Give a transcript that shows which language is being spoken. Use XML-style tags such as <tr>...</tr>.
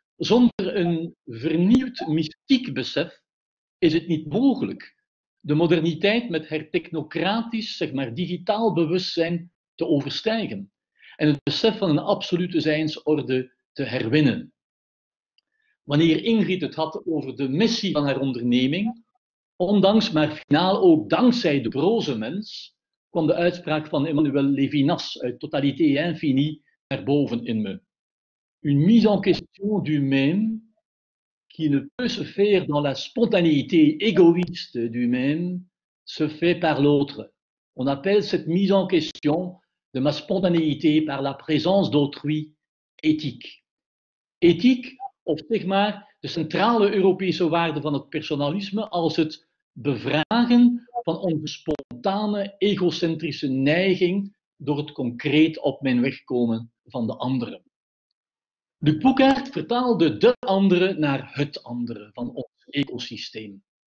<nl>Zonder een vernieuwd mystiek besef is het niet mogelijk de moderniteit met haar technocratisch, zeg maar, digitaal bewustzijn te overstijgen en het besef van een absolute zijnsorde te herwinnen. Wanneer Ingrid het had over de missie van haar onderneming, ondanks, maar finaal ook dankzij de broze mens, kwam de uitspraak van Emmanuel Levinas uit Totalité et Infini naar boven in me.</nl> <fr>Une mise en question du même qui ne peut se faire dans la spontanéité égoïste du même se fait par l'autre. On appelle cette mise en question de ma spontanéité par la présence d'autrui éthique.</fr> <nl>Éthique, of zeg maar de centrale Europese waarde van het personalisme als het bevragen van onze spontane egocentrische neiging door het concreet op mijn weg komen van de anderen. De Boekaert vertaalde de andere naar het andere van ons ecosysteem.</nl>